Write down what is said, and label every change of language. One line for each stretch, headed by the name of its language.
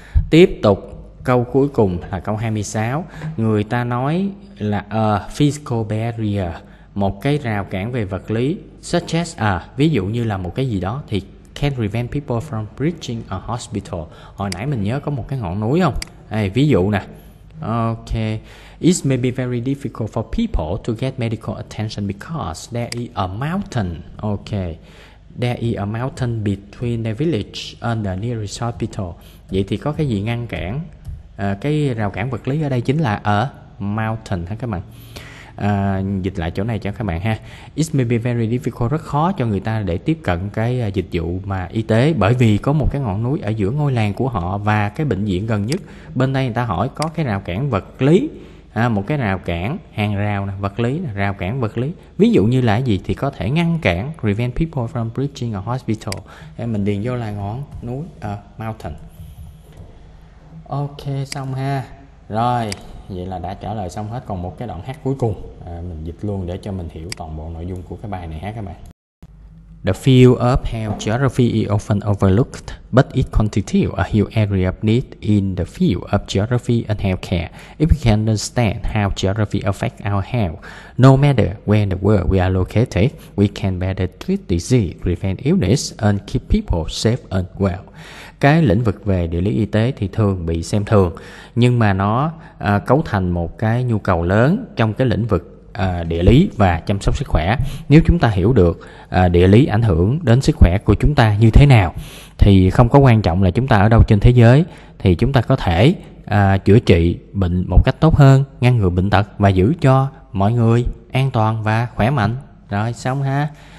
Vietnamese: Tiếp tục câu cuối cùng là câu 26. Người ta nói là
English: physical barrier,
Vietnamese: một cái rào cản về vật lý,
English: such as a,
Vietnamese: ví dụ như là một cái gì đó, thì
English: can prevent people from reaching a hospital.
Vietnamese: Hồi nãy mình nhớ có một cái ngọn núi không? Hey, ví dụ nè. Ok.
English: It may be very difficult for people to get medical attention because there is a mountain. Ok. There is a mountain between the village and the nearest hospital.
Vietnamese: Vậy thì có cái gì ngăn cản? Cái rào cản vật lý ở đây chính là
English: a mountain
Vietnamese: hả các bạn? Dịch lại chỗ này cho các bạn ha.
English: It may be very difficult,
Vietnamese: rất khó cho người ta để tiếp cận cái dịch vụ mà y tế bởi vì có một cái ngọn núi ở giữa ngôi làng của họ và cái bệnh viện gần nhất. Bên đây người ta hỏi có cái rào cản vật lý, một cái rào cản hàng rào này, vật lý, rào cản vật lý. Ví dụ như là gì thì có thể ngăn cản,
English: prevent people from reaching a hospital.
Vietnamese: Hay mình điền vô là ngọn núi, mountain. Ok, xong ha. Rồi, vậy là đã trả lời xong hết. Còn một cái đoạn hát cuối cùng, mình dịch luôn để cho mình hiểu toàn bộ nội dung của cái bài này hát các bạn.
English: The field of health geography is often overlooked, but it constitutes a huge area of need in the field of geography and healthcare. If we can understand how geography affects our health, no matter where in the world we are located, we can better treat disease, prevent illness, and keep people safe and well.
Vietnamese: Cái lĩnh vực về địa lý y tế thì thường bị xem thường, nhưng mà nó cấu thành một cái nhu cầu lớn trong cái lĩnh vực địa lý và chăm sóc sức khỏe. Nếu chúng ta hiểu được địa lý ảnh hưởng đến sức khỏe của chúng ta như thế nào, thì không có quan trọng là chúng ta ở đâu trên thế giới, thì chúng ta có thể chữa trị bệnh một cách tốt hơn, ngăn ngừa bệnh tật và giữ cho mọi người an toàn và khỏe mạnh. Rồi xong ha.